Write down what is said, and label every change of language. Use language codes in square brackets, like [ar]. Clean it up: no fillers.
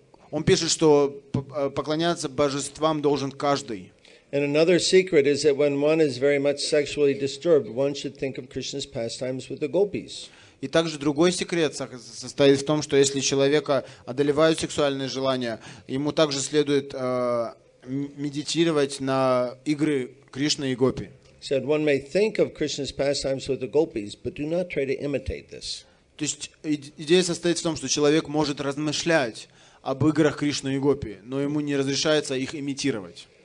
[ru] Он пишет, что поклоняться божествам должен каждый. [en] And another secret is that when one is very much sexually disturbed, one should think of Krishna's pastimes with the gopis. [ru] И также другой секрет состоит в том, что если человека одолевают сексуальные желания, ему также следует медитировать на игры Кришны и гопи. [en] Said one may think of Krishna's pastimes with the gopis, but do not try to imitate this. [ru] То есть идея состоит в том, что человек может размышлять об играх Кришны и гопи, но ему не разрешается их имитировать.